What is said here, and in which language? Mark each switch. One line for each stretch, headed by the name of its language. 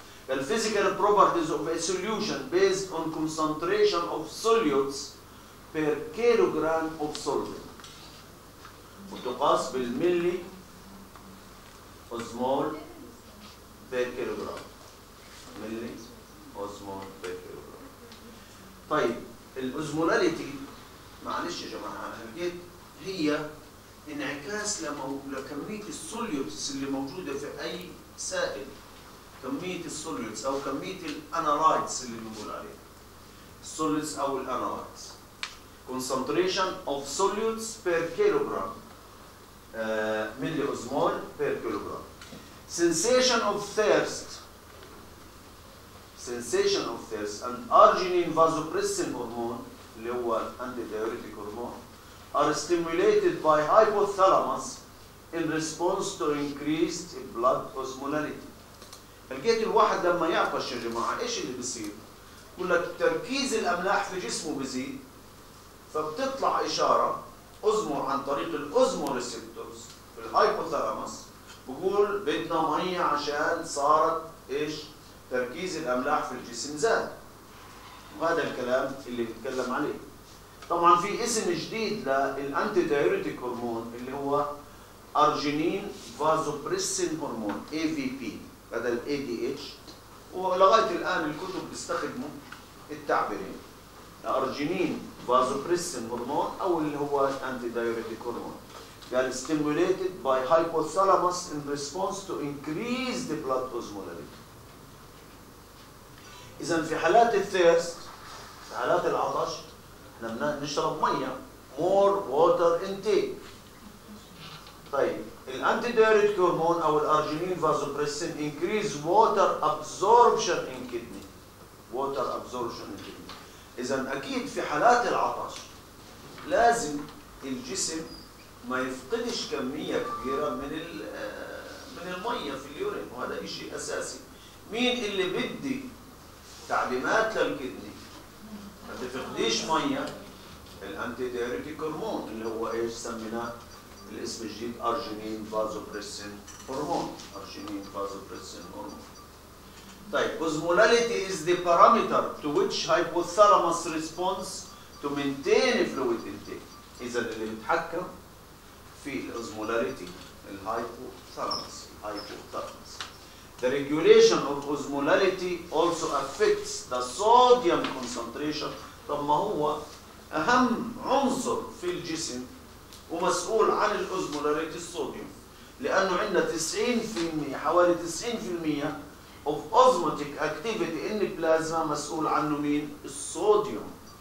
English: The physical properties of a solution based on concentration of solutes per kilogram of solvent.
Arabic: وتقاس بالملي أوزمول بير كيلوغرام. ملي أوزمول بير كيلوغرام. طيب الأوزموناليتي معلش يا جماعة هي انعكاس لكمية السوليوتس اللي موجودة في أي سائل. كمية السوليوتس أو كمية الأنالايتس اللي بنقول عليها. السوليوتس أو الأنالايتس.
English: Concentration of solutes per kilogram.
Arabic: ملي أوزمول بير كيلوغرام.
English: Sensation of thirst. Sensation of thirst and arginine vasopressin hormone, antidiuretic hormone, are stimulated by hypothalamus in response to increased blood osmolality.
Arabic: لقيت الواحد لما يعطش يا جماعه ايش اللي بصير؟ بقول لك تركيز الاملاح في جسمه بزيد، فبتطلع اشاره اوزمول عن طريق الاوزمول ريسبتورز في الهايبوثالاموس، بقول بدنا ميه عشان صارت ايش؟ تركيز الاملاح في الجسم زاد. وهذا الكلام اللي بنتكلم عليه. طبعا في اسم جديد للانتي دايوريتيك هرمون اللي هو ارجينين فازوبريسين هرمون اي في بي بدل اي دي اتش، ولغايه الان الكتب بيستخدموا التعبيرين ارجينين فازوبريسين هرمون او اللي هو الانتي دايوريتيك هرمون.
English: قال stimulated by hypothalamus in response to increased blood osmolarity.
Arabic: إذن في حالات الثيرست، في حالات العطش، نحن نشرب مية
English: more water intake.
Arabic: طيب الانتيديوريتيك هرمون أو الأرجينين فازوبريسين
English: increase water absorption in kidney. Water absorption in kidney.
Arabic: إذن أكيد في حالات العطش لازم الجسم ما يفقدش كمية كبيرة من المية في اليورين، وهذا إشي أساسي. مين اللي بدي تعليمات للكدني ما تفقديش مية؟ الأنتي دايوريتيك هرمون اللي هو إيش سميناه الاسم الجديد أرجينين فازوبريسين هرمون. أرجينين فازوبريسين هرمون. طيب
English: Osmolality is the parameter to which hypothalamus response to maintain fluid intake.
Arabic: إذا اللي بيتحكم في الأوزمولاريتي الهايبوثالاموس، الهايبوثالاموس.
English: The regulation of osmolarity also affects the sodium concentration.
Arabic: طب ما هو أهم عنصر في الجسم ومسؤول عن الأوزمولاريتي الصوديوم، لأنه عندنا 90% حوالي 90%
English: of osmotic activity in plasma
Arabic: مسؤول عنه مين؟ الصوديوم.